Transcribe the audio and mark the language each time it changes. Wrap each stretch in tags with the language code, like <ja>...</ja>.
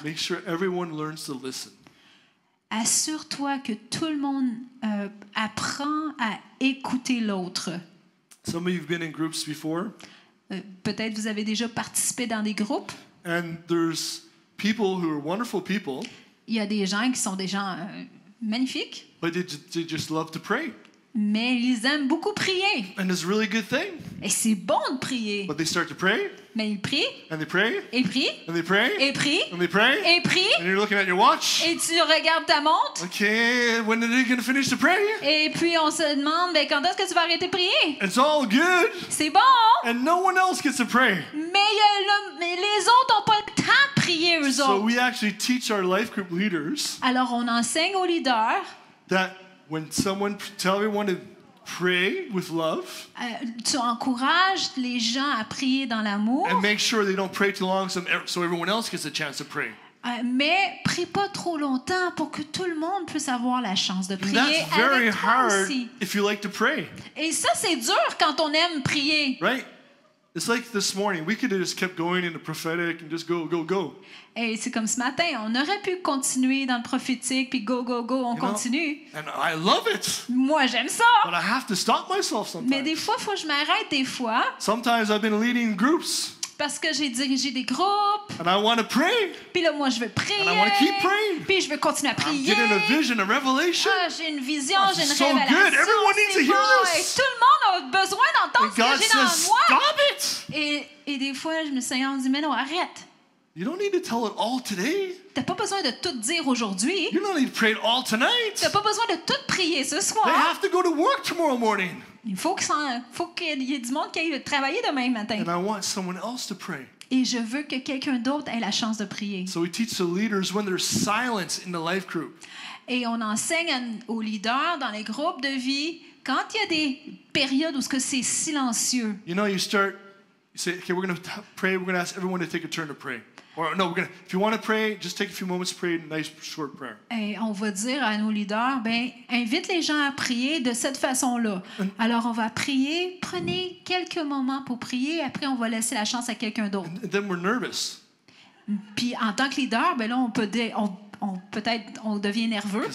<en>Make sure everyone learns to listen.</en> <fr>Assure-toi que tout le monde apprend à écouter l'autre.</fr> <en>Some of you have been in groups before.</en> <fr>Peut-être vous avez déjà participé dans des groupes.</fr> <en>And there's people who are wonderful people.</en> <fr>Il y a des gens qui sont des gens magnifiques.</fr> <en>But they just love to pray.</en> <fr>Mais ils aiment beaucoup prier.</fr> <en>And it's a really good thing.</en> <fr>Et c'est bon de prier.</fr> <en>But they start to pray.</en> <fr>Mais ils prient.</fr> <en>And they pray.</en> <fr>Et prient.</fr> <en>And they pray.</en> <fr>Et prient.</fr> <en>And they pray.</en> <fr>Et prient.</fr> <en>And you're looking at your watch.</en> <fr>Et tu regardes ta montre.</fr> <en>Okay, when are they going to finish the prayer?</en> <fr>Et puis on se demande, ben quand est-ce que tu vas arrêter de prier?</fr> <en>It's all good.</en> <fr>C'est bon.</fr> <en>And no one else gets to pray.</en> <fr>Mais les autres n'ont pas le temps de prier, eux autres.</fr> <en>So we actually teach our life group leaders.</en> <fr>Alors on enseigne aux leaders.</fr> <en>That when someone tell everyone to pray with love.</en> <fr>Tu encourages les gens à prier dans l'amour.</fr> <en>And make sure they don't pray too long, so everyone else gets a chance to pray.</en> <fr>Mais prie pas trop longtemps pour que tout le monde puisse avoir la chance de prier.</fr> <en>And that's very</en> <fr>avec toi</fr> <en>hard</en> <fr>aussi.</fr> <en>If you like to pray.</en> <fr>Et ça c'est dur quand on aime prier.</fr> <en>Right. It's like this morning we could have just kept going in the prophetic and just go.</en> <fr>Et c'est comme ce matin, on aurait pu continuer dans le prophétique puis go, on continue.</fr> <en>And I love it.</en> <fr>Moi j'aime ça.</fr> <en>But I have to stop myself sometimes.</en> <fr>Mais des fois faut que je m'arrête des fois.</fr> <en>Sometimes I've been leading groups.</en> <fr>Parce que j'ai dirigé des groupes.</fr> <en>And I want to pray.</en> <fr>Puis là moi je veux prier.</fr> <en>And I want to keep praying.</en> <fr>Puis je veux continuer à prier.</fr> <en>I'm getting a vision, a revelation.</en> <fr>Ah, j'ai une vision, oh, j'ai une so révélation.</fr> <en>Good. Everyone needs to hear this.</en> <fr>Tout le monde a besoin d'entendre ce que j'ai dans moi.</fr> <en>Stop it.</en> <fr>Et des fois je me suis dit mais non, arrête.</fr> <en>You don't need to tell it all today.</en> <fr>T'as pas besoin de tout dire aujourd'hui.</fr> <en>You don't need to pray it all tonight.</en> <fr>T'as pas besoin de tout prier ce soir.</fr> <en>They have to go to work tomorrow morning.</en> <fr>Il faut qu'il y ait du monde qui aille travailler demain matin.</fr> <en>And I want someone else to pray.</en> <fr>Et je veux que quelqu'un d'autre ait la chance de prier.</fr> <en>So we teach the leaders when there's silence in the life group.</en> <fr>Et on enseigne aux leaders dans les groupes de vie quand il y a des périodes où ce que c'est silencieux.</fr> <en>You know, you say, okay, we're going to pray. We're going to ask everyone to take a turn to pray. Or no, we're going to, if you want to pray, just take a few moments to pray a nice short prayer.</en> <fr>Et on va dire à nos leaders, ben invite les gens à prier de cette façon-là. Alors on va prier, prenez quelques moments pour prier, après on va laisser la chance à quelqu'un d'autre.</fr> <en>And then we're nervous.</en> <fr>Puis en tant que leader, ben là on peut-être devient nerveux.</fr>